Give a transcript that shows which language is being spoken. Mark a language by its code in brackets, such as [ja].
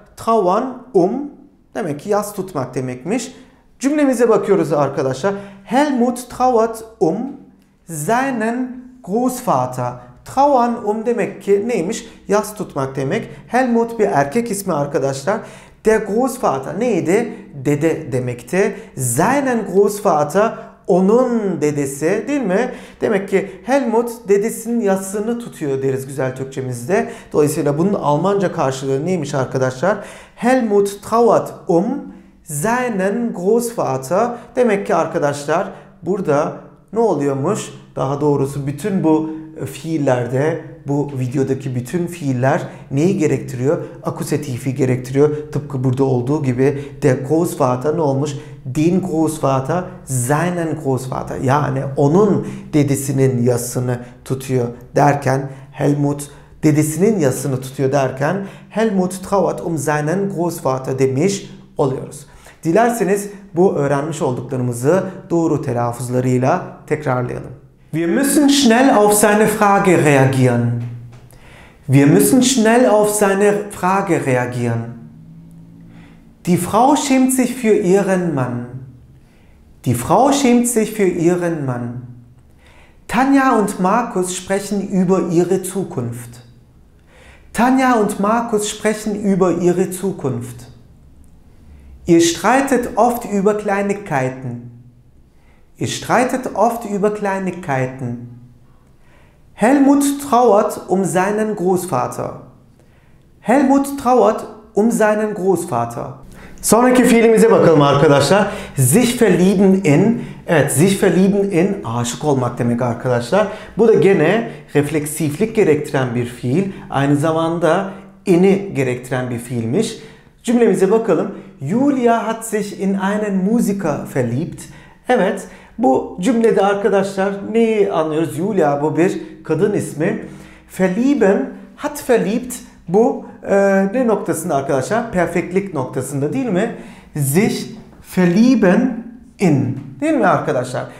[tr] Trauern demek ki yas tutmak demekmiş. Cümlemize bakıyoruz arkadaşlar. [de] Helmut trauert seinen Großvater. [tr] Trauern demek ki neymiş? Yas tutmak demek. Helmut bir erkek ismi arkadaşlar. Der Großvater neydi? Dede demekti. [de] Seinen Großvater [tr] onun dedesi değil mi? Demek ki Helmut dedesinin yasını tutuyor deriz güzel Türkçemizde. Dolayısıyla bunun Almanca karşılığı neymiş arkadaşlar? [de] Helmut trauert seinen Großvater. [tr] Demek ki arkadaşlar burada ne oluyormuş? Daha doğrusu bütün bu fiillerde, bu videodaki bütün fiiller neyi gerektiriyor? Akusatifi gerektiriyor. Tıpkı burada olduğu gibi der Großvater ne olmuş? [de] Den Großvater, seinen Großvater. [tr] Yani onun dedesinin yasını tutuyor derken Helmut dedesinin yasını tutuyor derken [de] Helmut trauert seinen Großvater [tr] demiş oluyoruz. Dilerseniz bu öğrenmiş olduklarımızı doğru telaffuzlarıyla tekrarlayalım. [de] Wir müssen schnell auf seine Frage reagieren. Wir müssen schnell auf seine Frage reagieren. Die Frau schämt sich für ihren Mann. Die Frau schämt sich für ihren Mann. Tanja und Markus sprechen über ihre Zukunft. Tanja und Markus sprechen über ihre Zukunft. Ihr streitet oft über Kleinigkeiten. Ihr streitet oft über Kleinigkeiten. Helmut trauert seinen Großvater. Helmut trauert seinen Großvater. [tr] Sonraki fiilimize bakalım arkadaşlar. Sich verlieben in. Evet, sich verlieben in aşık olmak demek arkadaşlar. Bu da gene refleksiflik gerektiren bir fiil. Aynı zamanda in'i gerektiren bir fiilmiş. Cümlemize bakalım. [de] Julia hat sich in einen Musiker verliebt. [tr] Evet, bu cümlede arkadaşlar neyi anlıyoruz? Julia bu bir kadın ismi. Verlieben, hat verliebt bu ne noktasında arkadaşlar? Perfektlik noktasında değil mi? Sich verlieben in. Değil mi arkadaşlar?